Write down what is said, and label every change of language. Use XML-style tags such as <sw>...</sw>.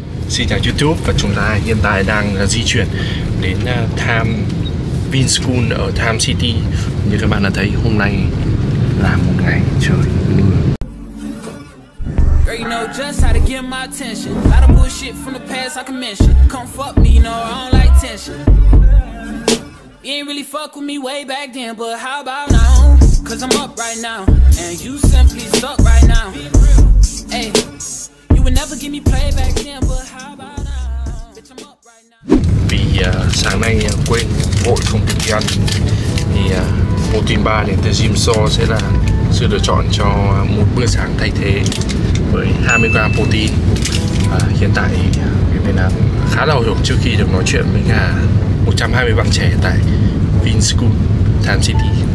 <vi>Xin chào YouTube, và chúng ta hiện tại đang di chuyển đến Time Vinschool ở Time City. Như các bạn đã thấy, hôm nay là một ngày trời mưa.</vi> <en>You ain't really fuck with me way back then, but how about now? Cause I'm up right now, and you simply suck right now. Hey, you would never give me play back then, but how about now? Bitch, I'm up right now.</en> <vi>Vì sáng nay quên vội không kịp đi ăn, thì protein bar đến từ Gym Store sẽ là sự lựa chọn cho một bữa sáng thay thế với 20g protein. Hiện tại mình đang khá là hồi hộp trước khi được nói chuyện với cả 120 bạn trẻ tại Vinschool Time City.</vi>